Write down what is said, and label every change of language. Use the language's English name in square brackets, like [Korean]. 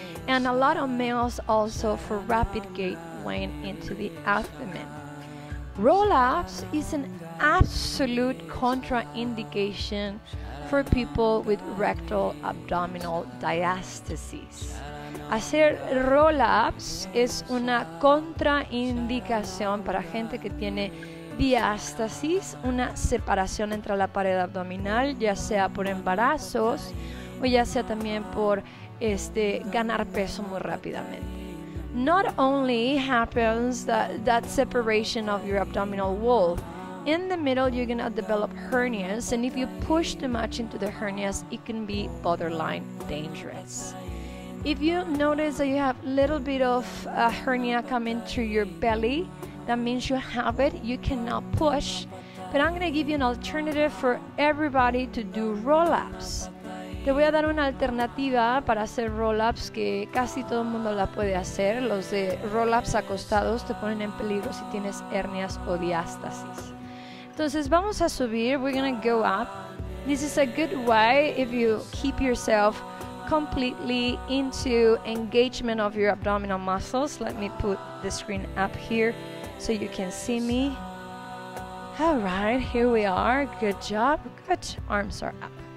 [English] And a lot of males also for rapid gait went into the abdomen. Roll-ups is an absolute contraindication for people with rectal abdominal diastasis. [Spanish] Hacer roll-ups es una contraindicación para gente que tiene diástasis, una separación entre la pared abdominal, ya sea por embarazos o ya sea también por ganar peso muy rápidamente. [English] Not only happens that separation of your abdominal wall, in the middle you're going to develop hernias, and if you push too much into the hernias, it can be borderline dangerous. If you notice that you have a little bit of a hernia coming through your belly, that means you have it, you cannot push. But I'm going to give you an alternative for everybody to do roll-ups. [Spanish] Te voy a dar una alternativa para hacer roll-ups que casi todo el mundo la puede hacer. Los de roll-ups acostados te ponen en peligro si tienes hernias o diástasis. Entonces vamos a subir. [English] We're going to go up. This is a good way if you keep yourself completely into engagement of your abdominal muscles. Let me put the screen up here so you can see me. All right, here we are. Good job. Good. Arms are up.